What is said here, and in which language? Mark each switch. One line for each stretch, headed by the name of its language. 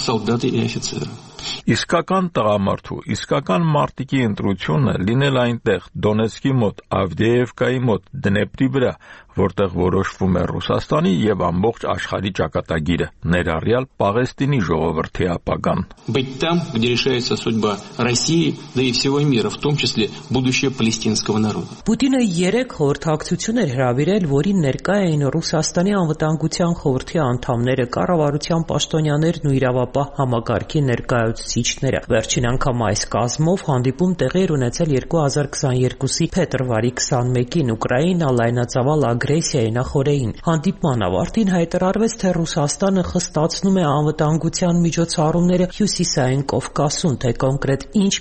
Armenian: Իսկական տղամարդու, իսկական մարտիկի ընտրությունը լինել այնտեղ Դոնեցկի մոտ, Ավդեևկայի մոտ, Դնեպրի վրա, որտեղ որոշվում է Ռուսաստանի և ամբողջ աշխարհի ճակատագիրը, ներառյալ Պաղեստինի ժողովրդի ապագան։ Բայց
Russian: где решается судьба России, да и всего мира, в том числе будущее палестинского народа։
Armenian: Պուտինը 3 խորհրդակցություն էր հրավիրել, որին ներկա էին Ռուսաստանի անվտանգության խորհրդի անդամները, կառավարության պաշտոնյաներն ու իրավապահ համակարգի ներկայացուցիչները։ Վերջին անգամ այս կազմով հանդիպում տեղի էր ունեցել 2022-ի փետրվարի 21-ին Ուկրաինա լայնածավալ ագրեսիայի նախորեին։ Հանդիպման ավարտին հայտարարվեց, թե Ռուսաստանը խստացնում է անվտանգության միջոցառումները Հյուսիսային Կովկասում, թե կոնկրետ ինչ